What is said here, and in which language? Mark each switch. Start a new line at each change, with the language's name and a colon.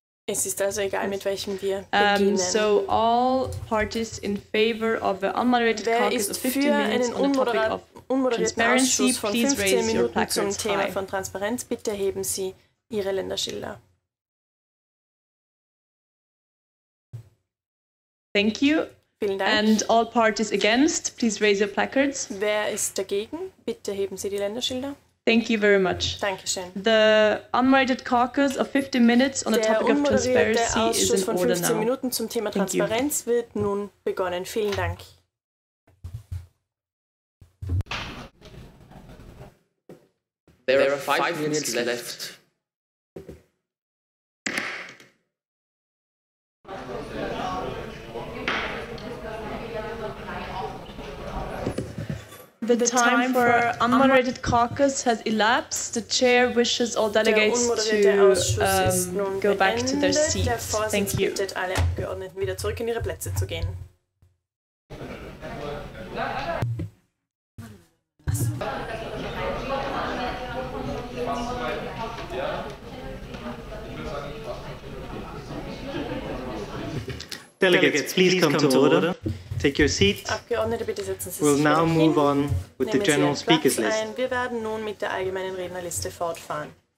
German: Es ist also egal, mit welchem wir beginnen.
English: So all parties in favor of the unmoderated
German: Wer
English: caucus of 15 minutes on the topic of
German: Unmoderierten Ausschuss von 15 Minuten zum Thema von Transparenz. Bitte heben Sie Ihre Länderschilder.
English: Thank you.
German: Vielen Dank.
English: And all parties against, please raise your placards.
German: Wer ist dagegen? Bitte heben Sie die Länderschilder.
English: Thank you very much.
German: Dankeschön.
English: The unmoderated caucus of 15 minutes on
German: Der
English: the topic of transparency
German: Ausschuss
English: is in order now.
German: Der unmoderierte Ausschuss von 15 Minuten zum Thema Transparenz wird nun begonnen. Vielen Dank.
English: There are 5 minutes left. The time for unmoderated caucus has elapsed. The chair wishes all delegates to go back to their seats. Thank you.
German: Bittet alle Abgeordneten wieder zurück in ihre Plätze zu gehen.
English: Delegates, please come to order. Take your seat.
German: Abgeordnete, bitte setzen Sie sich.
English: We'll now move on with the general speakers list.
German: Wir werden nun mit der allgemeinen Rednerliste fortfahren.